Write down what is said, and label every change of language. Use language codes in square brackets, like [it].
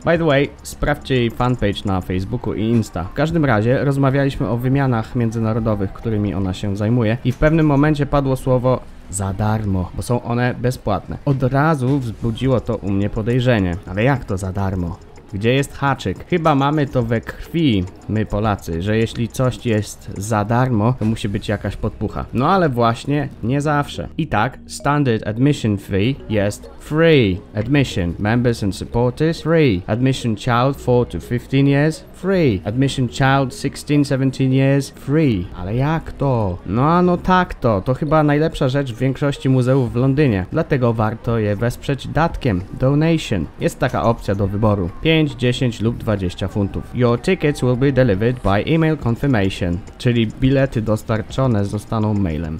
[en] By the way, [pl] sprawdźcie jej fanpage na Facebooku i Insta. W każdym razie rozmawialiśmy o wymianach międzynarodowych, którymi ona się zajmuje i w pewnym momencie padło słowo za darmo, bo są one bezpłatne. Od razu wzbudziło to u mnie podejrzenie. Ale jak to za darmo? Gdzie jest haczyk? Chyba mamy to we krwi, my Polacy, że jeśli coś jest za darmo, to musi być jakaś podpucha. No ale właśnie nie zawsze. I tak, standard admission fee jest free. [en] Admission members and supporters, free. Admission child 4 to 15 years, free. Admission child 16-17 years, free. [pl] Ale jak to? No tak to. To chyba najlepsza rzecz w większości muzeów w Londynie. Dlatego warto je wesprzeć datkiem, donation. Jest taka opcja do wyboru. 5, 10 lub 20 funtów. [en] Your tickets will be delivered by email confirmation, [pl] czyli bilety dostarczone zostaną mailem.